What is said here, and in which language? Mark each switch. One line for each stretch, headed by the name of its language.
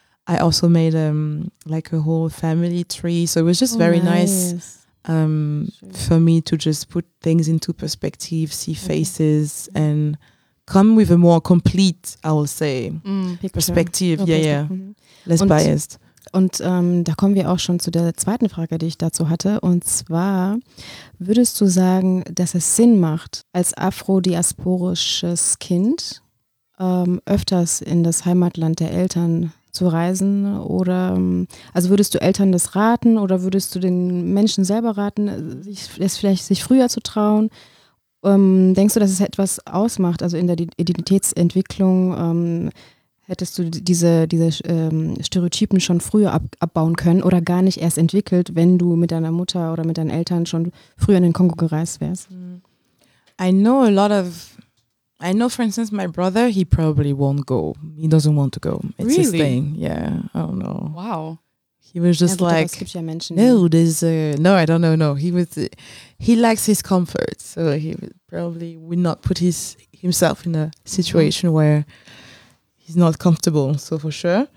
English: I also made like a whole family tree. So it was just very nice for me to just put things into perspective, see faces and come with a more complete, I will say, perspective. Okay. Yeah, yeah. Less
German: und,
English: biased.
German: Und da kommen wir auch schon zu der zweiten Frage, die ich dazu hatte. Und zwar, würdest du sagen, dass es Sinn macht, als afrodiasporisches Kind öfters in das Heimatland der Eltern zu reisen? Oder also würdest du Eltern das raten oder würdest du den Menschen selber raten, sich vielleicht früher zu trauen? Denkst du, dass es etwas ausmacht, also in der Identitätsentwicklung, hättest du diese Stereotypen schon früher abbauen können oder gar nicht erst entwickelt, wenn du mit deiner Mutter oder mit deinen Eltern schon früher in den Kongo gereist wärst?
English: I know, for instance, my brother, he probably won't go. He doesn't want to go. It's really? His thing. Yeah, I don't know. Wow. He was just like, he likes his comfort. So he probably would not put himself in a situation where he's not comfortable. So for sure.